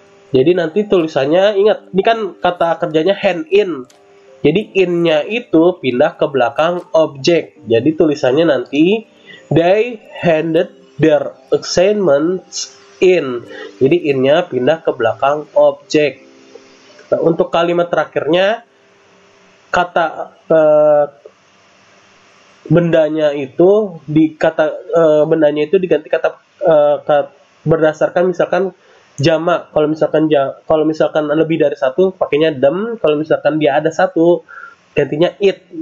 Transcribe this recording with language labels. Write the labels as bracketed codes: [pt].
[id] Jadi nanti tulisannya, ingat, ini kan kata kerjanya hand in. Jadi in-nya itu pindah ke belakang objek. Jadi tulisannya nanti [en] they handed their assignments in. [id] Jadi in-nya pindah ke belakang objek. Nah, untuk kalimat terakhirnya kata bendanya itu di kata bendanya itu diganti kata berdasarkan misalkan jamak. Kalau misalkan lebih dari satu pakainya them, kalau misalkan dia ada satu gantinya it.